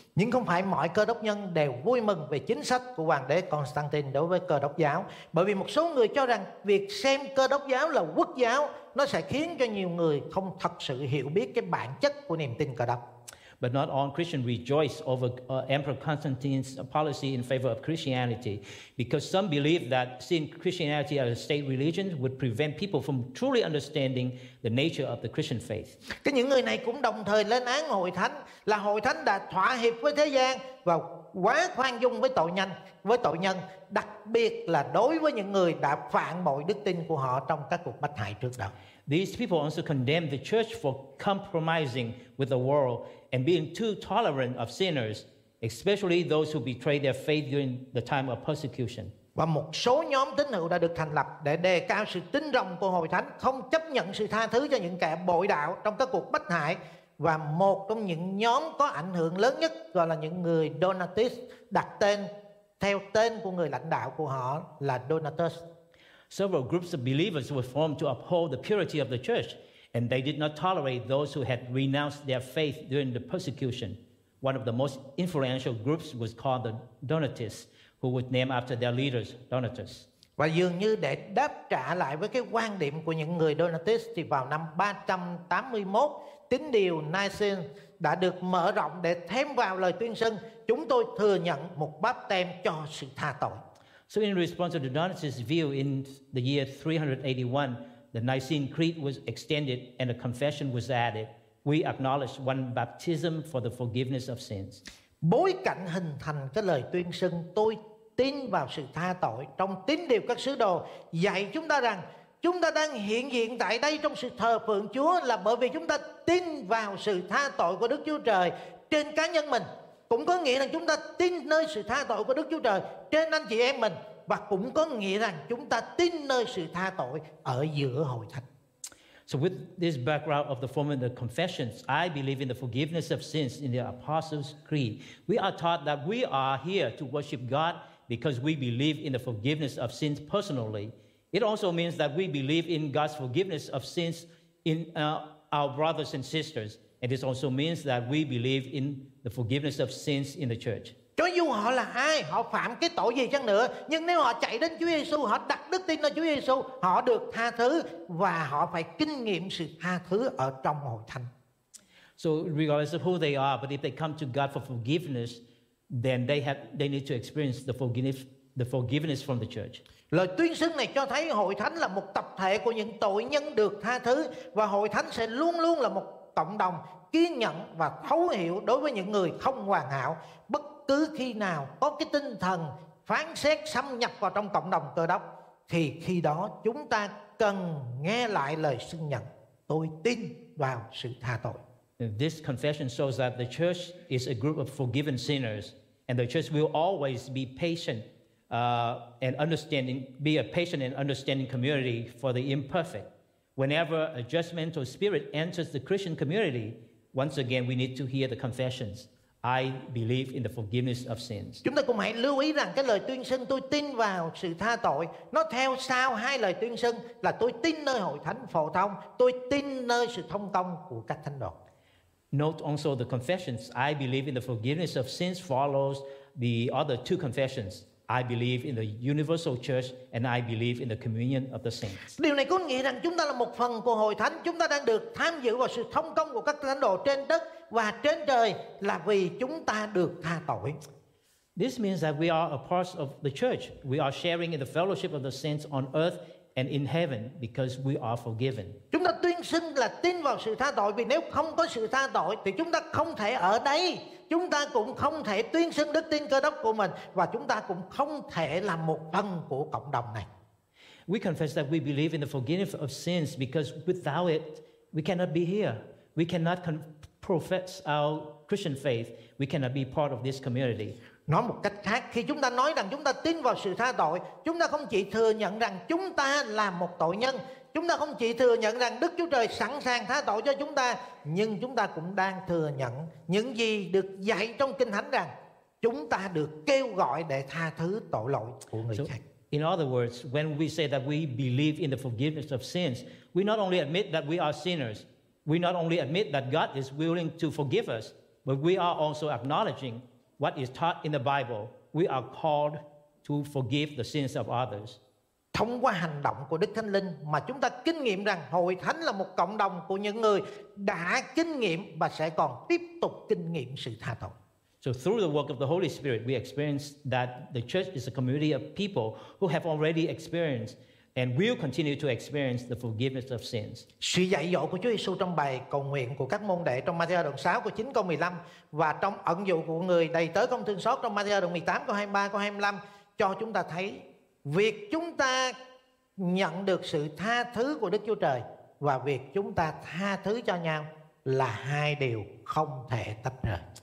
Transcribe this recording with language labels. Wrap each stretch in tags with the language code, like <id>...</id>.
<vi>Nhưng không phải mọi cơ đốc nhân đều vui mừng về chính sách của hoàng đế Constantine đối với cơ đốc giáo, bởi vì một số người cho rằng việc xem cơ đốc giáo là quốc giáo nó sẽ khiến cho nhiều người không thật sự hiểu biết cái bản chất của niềm tin cơ đốc.</vi> <en>But not all Christians rejoice over Emperor Constantine's policy in favor of Christianity, because some believe that seeing Christianity as a state religion would prevent people from truly understanding the nature of the Christian faith.</en> <vi>Cái những người này cũng đồng thời lên án hội thánh là hội thánh đã thỏa hiệp với thế gian và quá khoan dung với tội nhân, đặc biệt là đối với những người đã phản bội đức tin của họ trong các cuộc bách hại trước đó.</vi> <en>These people also condemn the church for compromising with the world and being too tolerant of sinners, especially those who betray their faith during the time of persecution.</en> <vi>Và một số nhóm tín hữu đã được thành lập để đề cao sự tín rộng của hội thánh, không chấp nhận sự tha thứ cho những kẻ bội đạo trong các cuộc bách hại. Và một trong những nhóm có ảnh hưởng lớn nhất gọi là những người Donatists, đặt tên theo tên của người lãnh đạo của họ là Donatus.</vi> <en>Several groups of believers were formed to uphold the purity of the church, and they did not tolerate those who had renounced their faith during the persecution. One of the most influential groups was called the Donatists, who was named after their leaders, Donatus.</en> <vi>Và dường như để đáp trả lại với cái quan điểm của những người Donatists, thì vào năm 381, tín điều Nicene đã được mở rộng để thêm vào lời tuyên xưng, chúng tôi thừa nhận một báp têm cho sự tha tội.</vi> <en>So in response to the Donatist view in the year 381, the Nicene Creed was extended and a confession was added. We acknowledge one baptism for the forgiveness of sins.</en> <vi>Bối cảnh hình thành cái lời tuyên xưng tôi tin vào sự tha tội trong tín điều các sứ đồ dạy chúng ta rằng chúng ta đang hiện diện tại đây trong sự thờ phượng Chúa là bởi vì chúng ta tin vào sự tha tội của Đức Chúa Trời trên cá nhân mình. Cũng có nghĩa là chúng ta tin nơi sự tha tội của Đức Chúa Trời trên anh chị em mình, và cũng có nghĩa rằng chúng ta tin nơi sự tha tội ở giữa hội thánh.</vi> <en>So with this background of the form of the confessions, I believe in the forgiveness of sins in the Apostles' Creed. We are taught that we are here to worship God because we believe in the forgiveness of sins personally. It also means that we believe in God's forgiveness of sins in our brothers and sisters. And this also means that we believe in the forgiveness of sins in the church.</en> <vi>Cho dù họ là ai, họ phạm cái tội gì chăng nữa, nhưng nếu họ chạy đến Chúa Giêsu, họ đặt đức tin nơi Chúa Giêsu, họ được tha thứ và họ phải kinh nghiệm sự tha thứ ở trong hội thánh.</vi> <en>So regardless of who they are, but if they come to God for forgiveness, then they need to experience the forgiveness from the church.</en> <vi>Lời tuyên xưng này cho thấy hội thánh là một tập thể của những tội nhân được tha thứ, và hội thánh sẽ luôn luôn là một cộng đồng kiên nhẫn và thấu hiểu đối với những người không hoàn hảo. Bất cứ khi nào có cái tinh thần phán xét xâm nhập vào trong cộng đồng cơ đốc, thì khi đó chúng ta cần nghe lại lời xưng nhận: tôi tin vào sự tha tội.</vi> <en>This confession shows that the church is a group of forgiven sinners, and the church will always be patient and understanding, be a patient and understanding community for the imperfect. Whenever a judgmental spirit enters the Christian community, once again we need to hear the confessions. I believe in the forgiveness of sins.</en> <vi>Chúng ta cũng hãy lưu ý rằng cái lời tuyên xưng tôi tin vào sự tha tội, nó theo sau hai lời tuyên xưng là tôi tin nơi hội thánh phổ thông, tôi tin nơi sự thông công của các thánh đoàn.</vi> <en>Note also the confessions. I believe in the forgiveness of sins follows the other two confessions. I believe in the universal church and I believe in the communion of the saints.</en> <vi>Điều này có nghĩa rằng chúng ta là một phần của hội thánh, chúng ta đang được tham dự vào sự thông công của các thánh đồ trên đất và trên trời là vì chúng ta được tha tội.</vi> <en>This means that we are a part of the church. We are sharing in the fellowship of the saints on earth and in heaven because we are forgiven.</en> <vi>Chúng ta tuyên xưng là tin vào sự tha tội vì nếu không có sự tha tội thì chúng ta không thể ở đây. Chúng ta cũng không thể tuyên xưng đức tin Cơ Đốc của mình và chúng ta cũng không thể làm một phần của cộng đồng này.</vi> <en>We confess that we believe in the forgiveness of sins because without it we cannot be here. We cannot profess our Christian faith. We cannot be part of this community.</en> <vi>Nói một cách khác, khi chúng ta nói rằng chúng ta tin vào sự tha tội, chúng ta không chỉ thừa nhận rằng chúng ta là một tội nhân, chúng ta không chỉ thừa nhận rằng Đức Chúa Trời sẵn sàng tha tội cho chúng ta, nhưng chúng ta cũng đang thừa nhận những gì được dạy trong Kinh Thánh rằng chúng ta được kêu gọi để tha thứ tội lỗi của người khác.</vi> <en>In other words, when we say that we believe in the forgiveness of sins, we not only admit that we are sinners, we not only admit that God is willing to forgive us, but we are also acknowledging what is taught in the Bible, we are called to forgive the sins of others.</en> <vi>Thông qua hành động của Đức Thánh Linh mà chúng ta kinh nghiệm rằng hội thánh là một cộng đồng của những người đã kinh nghiệm và sẽ còn tiếp tục kinh nghiệm sự tha tội.</vi> <en>So through the work of the Holy Spirit, we experience that the church is a community of people who have already experienced and will continue to experience the forgiveness of sins.</en> <vi>Sự dạy dỗ của Chúa Giêsu trong bài cầu nguyện của các môn đệ trong Ma-thi-ơ đoạn 6 câu 9 câu 15 và trong ẩn dụ của người đầy tớ không thương xót trong Ma-thi-ơ đoạn 18 câu 23 câu 25 cho chúng ta thấy việc chúng ta nhận được sự tha thứ của Đức Chúa Trời và việc chúng ta tha thứ cho nhau là hai điều không thể tách rời.</vi>